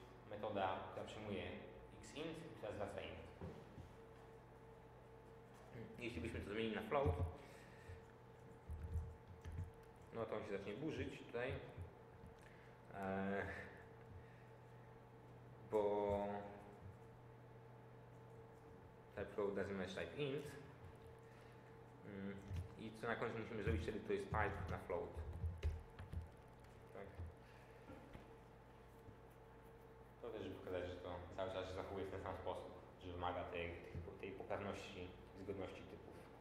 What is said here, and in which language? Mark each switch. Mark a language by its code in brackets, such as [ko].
[pl] metoda, która przyjmuje xint, która zwraca int. Jeśli byśmy to zmienili na float, no to on się zacznie burzyć tutaj. Bo [en] type float doesn't match type int. [pl] I co na końcu musimy zrobić, czyli to jest pipe na float. Tak. To też, żeby pokazać, że to cały czas zachowuje w ten sam sposób, że wymaga tej poprawności, tej zgodności typów.